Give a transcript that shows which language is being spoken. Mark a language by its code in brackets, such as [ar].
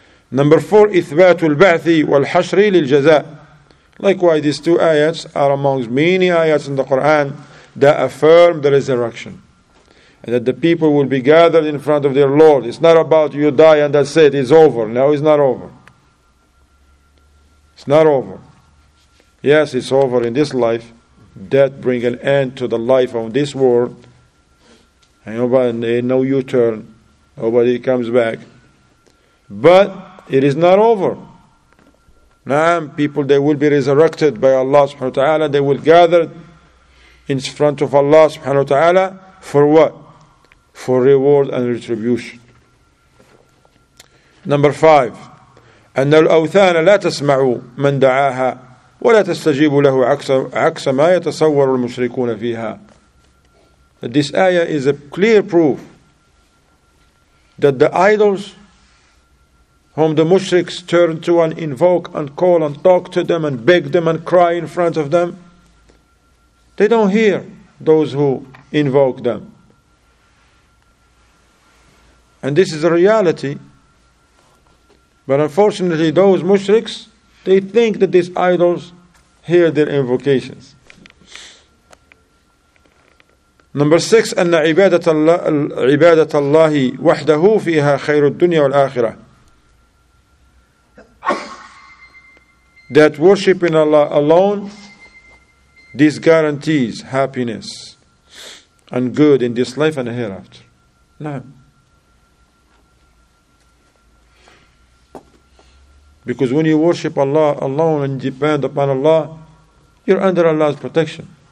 [en] Number four, [ar] إثبات البعث والحشر للجزاء. [en] Likewise, these two ayats are amongst many ayats in the Quran that affirm the resurrection. And that the people will be gathered in front of their Lord. It's not about you die and that's it, it's over. No, it's not over. It's not over. Yes, it's over in this life. Death brings an end to the life of this world. And nobody, no U-turn. Nobody comes back. But it is not over. Naam, people, they will be resurrected by Allah subhanahu wa ta'ala. They will gather in front of Allah subhanahu wa ta'ala for what? For reward and retribution. Number five. [ar] أن الأوثان لا تسمع من دعاها ولا تستجيب له عكس ما يتصور المشركون فيها. [en] This ayah is a clear proof that the idols whom the mushriks turn to and invoke and call and talk to them and beg them and cry in front of them, they don't hear those who invoke them. And this is a reality. But unfortunately, those mushriks, they think that these idols hear their invocations. Number six, [ar] أن عبادة الله وحده فيها خير الدنيا والآخرة. [en] That worshiping Allah alone, this guarantees happiness and good in this life and hereafter. No. Because when you worship Allah alone and depend upon Allah, you're under Allah's protection.